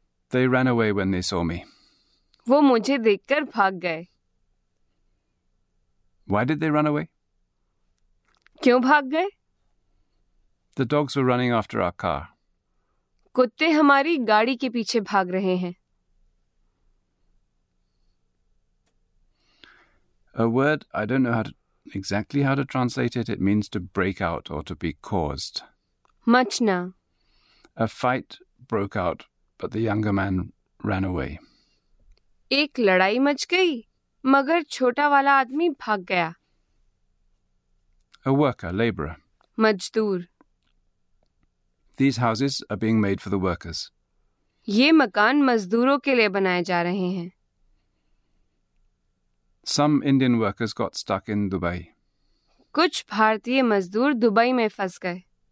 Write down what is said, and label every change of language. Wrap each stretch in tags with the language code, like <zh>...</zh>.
<en>They ran away when they saw me.</en> <hi>वो मुझे देखकर भाग गए.</hi> <en>Why did they run away?</en> <hi>क्यों भाग गए?</hi> <en>The dogs were running after our car.</en> <hi>कुत्ते हमारी गाड़ी के पीछे भाग रहे हैं.</hi> <en>A word I don't know how to translate it. It means to break out or to be caused.</en> <hi>Machna.</hi> <en>A fight broke out, but the younger man ran away.</en> <hi>एक लड़ाई मच गई, मगर छोटा वाला आदमी भाग गया.</hi> <en>A worker, laborer.</en> <hi>मजदूर.</hi> <en>These houses are being made for the workers.</en> <hi>ये मकान मजदूरों के लिए बनाए जा रहे हैं.</hi> <en>Some Indian workers got stuck in Dubai.</en> <hi>कुछ भारतीय मजदूर दुबई में फंस गए.</hi>